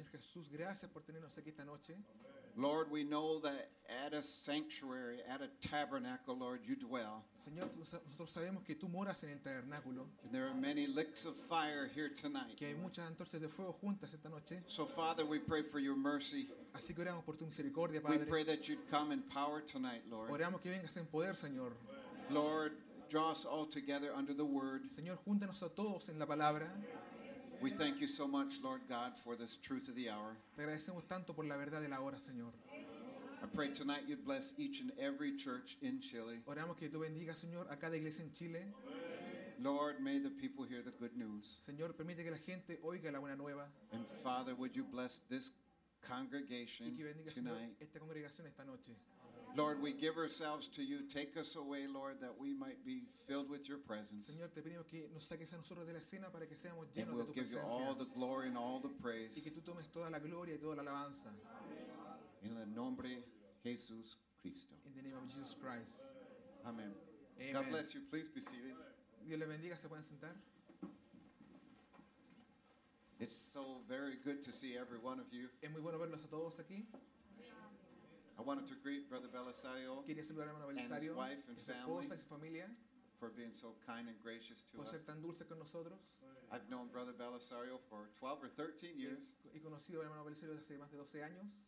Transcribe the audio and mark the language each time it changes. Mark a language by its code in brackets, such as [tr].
[es] Gracias, Señor Jesús, gracias por tenernos aquí esta noche. [en] Lord, we know that at a sanctuary, at a tabernacle, Lord, you dwell. [es] Señor, nosotros sabemos que tú moras en el tabernáculo. [en] And there are many licks of fire here tonight. [es] Que hay muchas antorchas de fuego juntas esta noche. [en] So, Father, we pray for your mercy. [es] Así que oramos por tu misericordia, Padre. [en] We pray that you'd come in power tonight, Lord. [es] Oramos que vengas en poder, Señor. [en] Lord, draw us all together under the word. [es] Señor, júntanos a todos en la palabra. [en] We thank you so much, Lord God, for this truth of the hour. [es] Te agradecemos tanto por la verdad de la hora, Señor. [en] I pray tonight you'd bless each and every church in Chile. [es] Oramos que tú bendigas, Señor, a cada iglesia en Chile. [en] Lord, may the people hear the good news. [es] Señor, permite que la gente oiga la buena nueva. [en] And Father, would you bless this congregation [es] y que bendiga, [en] tonight? [es] Señor, esta congregación esta noche. [en] Lord, we give ourselves to you. Take us away, Lord, that we might be filled with your presence. [es] Señor, te pedimos que nos saques a nosotros de la escena para que seamos llenos de tu presencia. [en] And we'll give you all the glory and all the praise. [es] Y que tú tomes toda la gloria y toda la alabanza. En el nombre de Jesús Cristo. [en] In the name of Jesus Christ. Amen. [es] Amen. [en] God bless you. Please be seated. [es] Dios le bendiga. Se pueden sentar. [en] It's so very good to see every one of you. [es] Es muy bueno verlos a todos aquí. [en] I wanted to greet Brother Belisario and his wife and family for being so kind and gracious to [es] por ser [en] us. [es] Tan dulce con nosotros. [en] I've known Brother Belisario for 12 or 13 years. [es] He conocido a hermano Belisario hace más de 12 años.